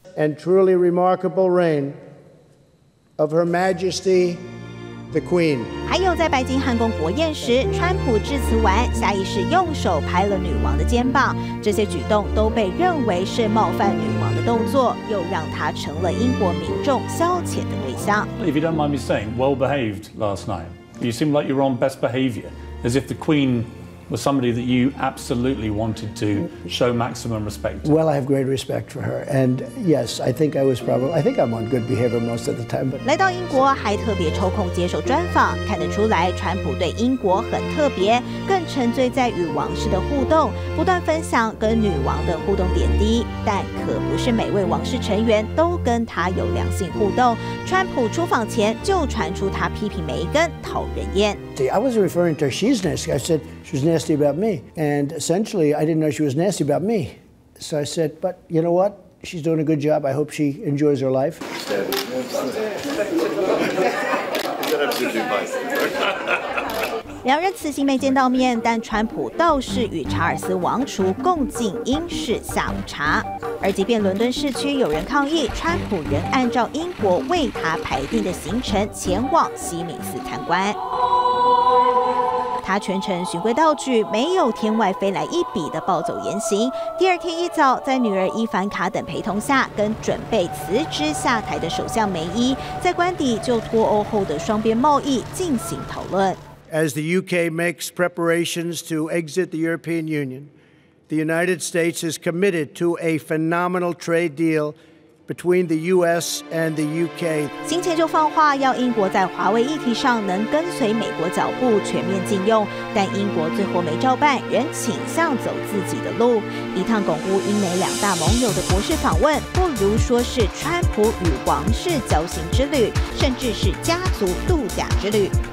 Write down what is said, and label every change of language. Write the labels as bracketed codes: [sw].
[en] and truly remarkable reign of Her Majesty the Queen. [zh] 还有在白金汉宫国宴时，川普致辞完，下意识用手拍了女王的肩膀，这些举动都被认为是冒犯女王的动作，又让她成了英国民众消遣的对象。 [en] If you don't mind me saying, well behaved last night. You seem like you're on best behavior, as if the Queen. Was somebody that you absolutely wanted to show maximum respect to? Well, I have great respect for her, and yes, I think I was probably, I think I'm on good behavior most of the time. But [zh] 来到英国还特别抽空接受专访，看得出来川普对英国很特别，更沉醉在与王室的互动，不断分享跟女王的互动点滴。但可不是每位王室成员都跟他有良性互动。川普出访前就传出他批评梅根讨人厌。 [en] See, I was referring to she's nice. I said. She was nasty about me. And essentially, I didn't know she was nasty about me. So I said, but you know what? She's doing a good job. I hope she enjoys her life. [zh] 两人此行没见到面，但川普倒是与查尔斯王储共进英式下午茶。而即便伦敦市区有人抗议，川普仍按照英国为他排定的行程前往西敏寺参观。他全程循规蹈矩，没有天外飞来一笔的暴走言行。第二天一早，在女儿伊凡卡等陪同下，跟准备辞职下台的首相梅伊，在官邸就脱欧后的双边贸易进行讨论。 [en] As the UK makes preparations to exit the European Union, the United States is committed to a phenomenal trade deal between the US and the UK. [zh] 行前就放话要英国在华为议题上能跟随美国脚步全面禁用，但英国最后没照办，仍倾向走自己的路。一趟巩固英美两大盟友的国事访问，不如说是川普与王室交心之旅，甚至是家族度假之旅。